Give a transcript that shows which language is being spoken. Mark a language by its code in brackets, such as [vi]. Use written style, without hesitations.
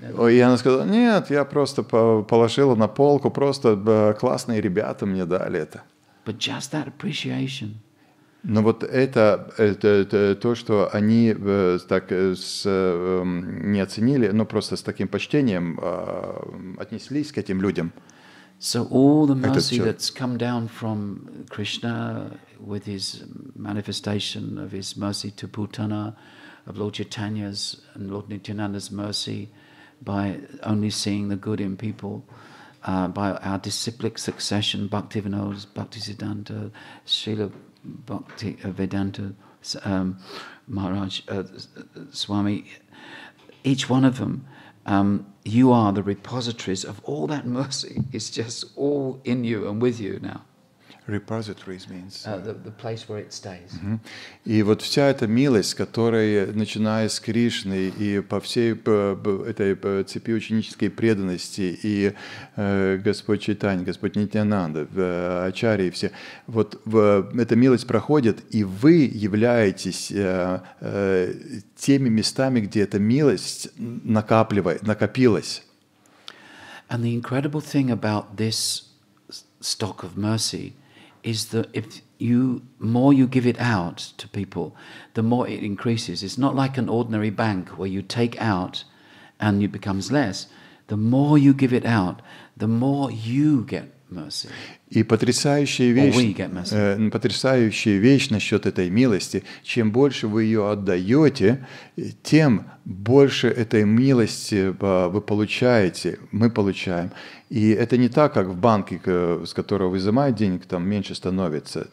[ru] И она сказала: "Нет, я просто положила на полку, просто классные ребята мне дали это." [en] But just that appreciation. [ru] Но вот это то, что они так не оценили, но просто с таким почтением отнеслись к этим людям. [en] So all the mercy that's come down from Krishna with his manifestation of his mercy to Putana, of Lord Chaitanya's and Lord Nityananda's mercy by only seeing the good in people, by our disciplic succession, Bhaktivinoda, Bhaktisiddhanta, Srila Bhakti Vedanta Maharaj Swami, each one of them, you are the repositories of all that mercy. It's just all in you and with you now. Repositories means the place where it stays. Mm-hmm. [ru] И вот вся эта милость, которая, начиная с Кришны и по всей этой цепи ученической преданности и Господь Чайтанья, Господь Нитьянанда, Ачарьи все, вот эта милость проходит, и вы являетесь теми местами, где эта милость накопилась. [en] And the incredible thing about this stock of mercy is that if you more you give it out to people, the more it increases. It's not like an ordinary bank where you take out and it becomes less. The more you give it out, the more you get mercy. [ru] И потрясающая вещь, потрясающая вещь насчет этой милости, чем больше вы ее отдаете, тем больше этой милости вы получаете, мы получаем. И это не так, как в банке, с которого вы изымаете денег, там меньше становится.